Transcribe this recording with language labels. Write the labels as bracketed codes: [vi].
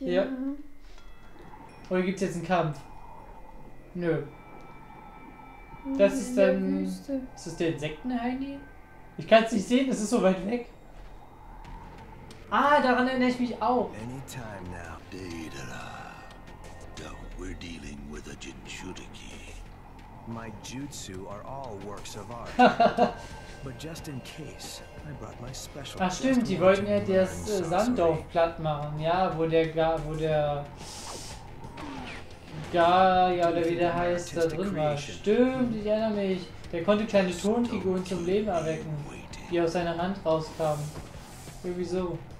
[de] Ja. Ja. Oder gibt's jetzt einen Kampf? Nö. Das ist dann. Ist das der Insektenheini? Ich kann es nicht sehen, das ist so weit weg. Ah, daran erinnere ich mich auch. [en] Anytime now, Daedala. Don't we're dealing with a Jinchuriki. My Jutsu are all works of art. But just in case, I brought my special. [de] Ach stimmt, die wollten ja das Sanddorf platt machen. Ja, wo der. Ja, oder wie der heißt, da drin war. Stimmt, ich erinnere mich. Der konnte kleine Tonfiguren zum Leben erwecken, die aus seiner Hand rauskamen. Irgendwie so.